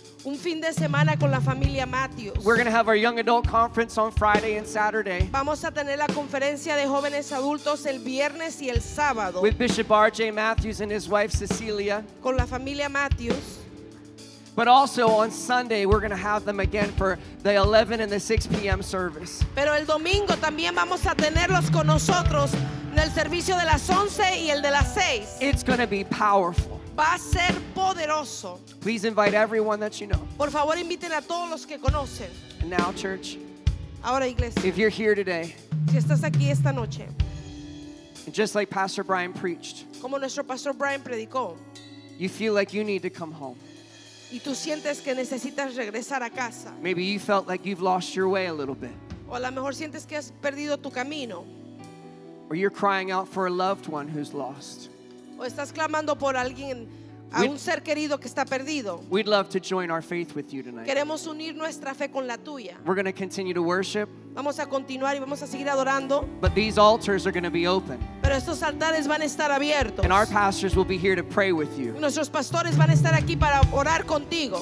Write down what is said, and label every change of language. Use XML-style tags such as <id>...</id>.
<es>Un fin de semana con la familia Matthews.</es> <en>We're going to have our young adult conference on Friday and Saturday.</en> <es>Vamos a tener la conferencia de jóvenes adultos el viernes y el sábado.</es> <en>With Bishop R.J. Matthews and his wife Cecilia.</en> <es>Con la familia Matthews.</es> <en>But also on Sunday, we're going to have them again for the 11 and the 6 p.m. service.</en> <es>Pero el domingo también vamos a tenerlos con nosotros en el servicio de las 11 y el de las 6.</es> <en>It's going to be powerful.</en> <es>Va a ser poderoso.</es> <en>Please invite everyone that you know.</en> <es>Por favor, inviten a todos los que conocen.</es> <en>And now, church.</en> <es>Ahora, iglesia.</es> <en>If you're here today.</en> <es>Si estás aquí esta noche.</es> <en>Just like Pastor Brian preached.</en> <es>Como nuestro Pastor Brian predicó.</es> <en>You feel like you need to come home.</en> <es>Y tú sientes que necesitas regresar a casa.</es> <en>Maybe you felt like you've lost your way a little bit.</en> <es>O a lo mejor sientes que has perdido tu camino.</es> <en>Or you're crying out for a loved one who's lost.</en> <es>O estás clamando por alguien, a un ser querido que está perdido.</es> <en>We'd love to join our faith with you tonight.</en> <es>Queremos unir nuestra fe con la tuya.</es> <en>We're going to continue to worship.</en> <es>Vamos a continuar y vamos a seguir adorando.</es> <en>But these altars are going to be open.</en> <es>Pero estos altares van a estar abiertos.</es> <en>And our pastors will be here to pray with you.</en> <es>Nuestros pastores van a estar aquí para orar contigo.</es>